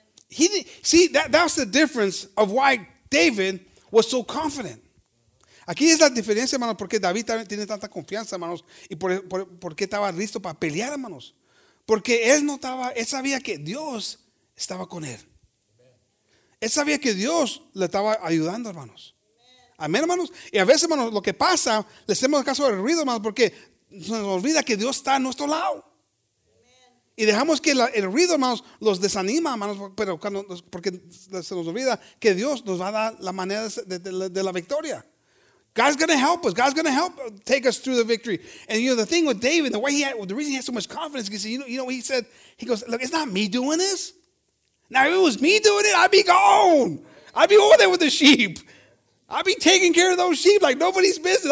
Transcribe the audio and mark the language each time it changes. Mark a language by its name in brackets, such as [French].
[English] That's the difference of why David was so confident. [Spanish] Aquí es la diferencia, hermanos, porque David tiene tanta confianza, hermanos, y porque estaba listo para pelear, hermanos. Porque él sabía que Dios estaba con él. Él sabía que Dios le estaba ayudando, hermanos. Amén, hermanos. Y a veces, hermanos, lo que pasa, le hacemos caso al ruido, hermanos, porque se nos olvida que Dios está a nuestro lado. Y dejamos que el ruido, hermanos, los desanima, hermanos, porque se nos olvida que Dios nos va a dar la manera de la victoria. [English] God's going to help us. God's going to help take us through the victory. And, you know, the thing with David, the way he had, the reason he had so much confidence, because you know what he said? He goes, look, it's not me doing this. Now, if it was me doing it, I'd be gone. I'd be over there with the sheep. I'd be taking care of those sheep like nobody's business.